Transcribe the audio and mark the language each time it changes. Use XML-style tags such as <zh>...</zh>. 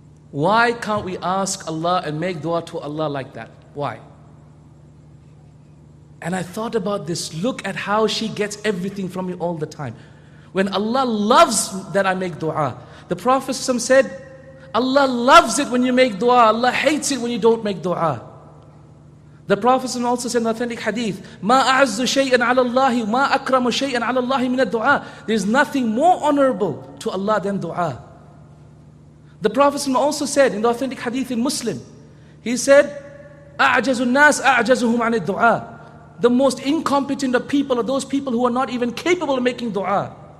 <en>Why can't we ask Allah and make dua to Allah like that? Why? And I thought about this. Look at how she gets everything from me all the time. When Allah loves that I make dua, the Prophet said, Allah loves it when you make dua. Allah hates it when you don't make dua. The Prophet also said in the authentic hadith,</en> <ar>مَا أَعَزُّ شَيْءٍ عَلَى اللَّهِ مَا أَكْرَمُ شَيْءٍ عَلَى اللَّهِ مِنَ الدُّعَى.</ar> <en>There's nothing more honorable to Allah than dua. The Prophet also said in the authentic hadith in Muslim, he said,</en> <ar>أَعْجَزُ النَّاسِ أَعْجَزُهُمْ عَنِ الدُّعَى.</ar> <en>The most incompetent of people are those people who are not even capable of making dua.</en>